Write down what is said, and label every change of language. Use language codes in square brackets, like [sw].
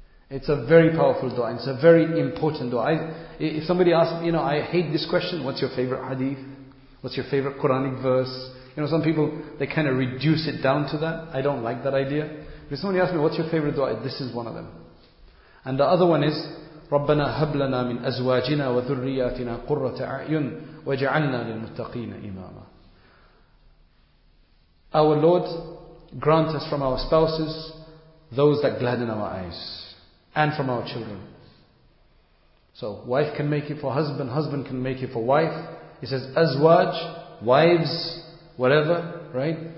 [en] It's a very powerful dua. It's a very important dua. If somebody asks, you know, I hate this question. What's your favorite hadith? What's your favorite Quranic verse? You know, some people, they kind of reduce it down to that. I don't like that idea. If somebody asks me, what's your favorite dua? This is one of them. And the other one is, [ar] رَبَّنَا هَبْ لَنَا مِنْ أَزْوَاجِنَا وَذُرِّيَّاتِنَا قُرَّةَ أَعْيُنٍ وَجَعَلْنَا لِلْمُتَّقِينَ إِمَامًا. [en] Our Lord, grant us from our spouses those that gladden our eyes, and from our children. So wife can make it for husband, husband can make it for wife. He says azwaj, wives, whatever, right?